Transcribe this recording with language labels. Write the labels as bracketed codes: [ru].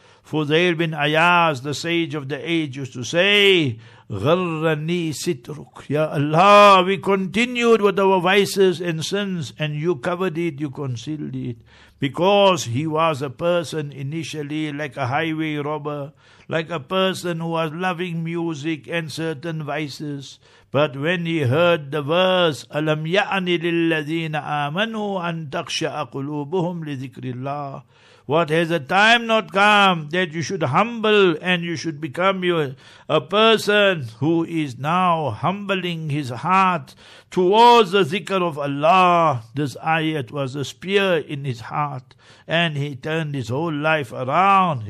[en] Fudayl bin Ayaz, the sage of the age, used to say, [ar] غرني ستروك. [en] Ya Allah, we continued with our vices and sins, and you covered it, you concealed it. Because he was a person initially like a highway robber, like a person who was loving music and certain vices. But when he heard the verse, [ar] أَلَمْ يَعْنِ لِلَّذِينَ آمَنُوا أَن تَخْشَأَ قُلُوبُهُمْ لِذِكْرِ اللَّهِ. [en] What has the time not come that you should humble and you should become a person who is now humbling his heart towards the zikr of Allah? This ayat was a spear in his heart, and he turned his whole life around.